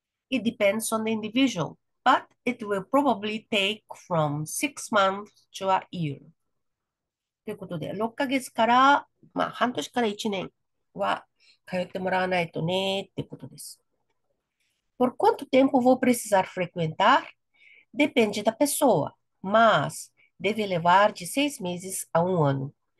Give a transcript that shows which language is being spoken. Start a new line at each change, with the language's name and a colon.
English: It depends on the individual, but it will probably take from 6 months to a year.
Japanese: ということで、6ヶ月から、まあ、半年から1年は通ってもらわないとね、ってことです。
Portuguese: Por quanto tempo vou precisar frequentar? Depende da pessoa, mas deve levar de 6 meses a 1 ano.